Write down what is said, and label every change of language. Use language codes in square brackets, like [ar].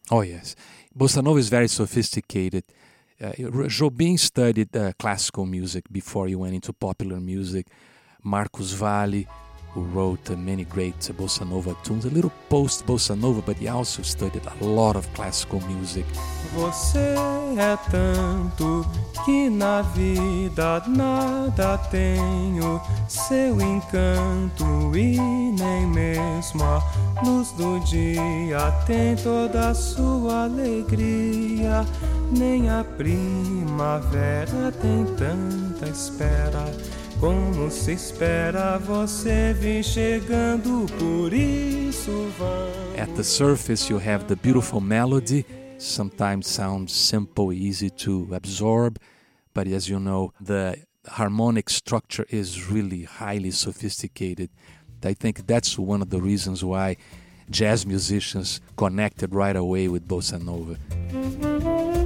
[en] Oh, yes. Bossa Nova is very sophisticated. Jobim studied classical music before he went into popular music. Marcos Valle, who wrote many great bossa nova tunes, a little post-bossa nova, but he also studied a lot of classical music. [pt] Você é tanto que na vida nada tenho seu encanto e nem mesmo a luz do dia tem toda a sua alegria, nem a primavera tem tanta espera como se espera você vir chegando, por isso vamos. [en] At the surface you have the beautiful melody, sometimes sounds simple, easy to absorb, but as you know, the harmonic structure is really highly sophisticated. I think that's one of the reasons why jazz musicians connected right away with bossa nova.